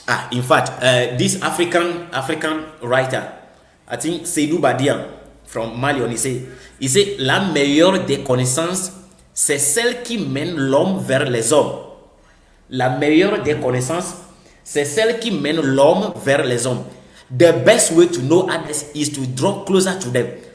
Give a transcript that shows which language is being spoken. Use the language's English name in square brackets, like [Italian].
[English] In fact, this African writer, I think Sidu Badian, from Mali, [French] on il sait la meilleure des connaissances, c'est celle qui mène l'homme vers les hommes. La meilleure des connaissances, c'est celle qui mène l'homme vers les hommes. [English] The best way to know others is to draw closer to them.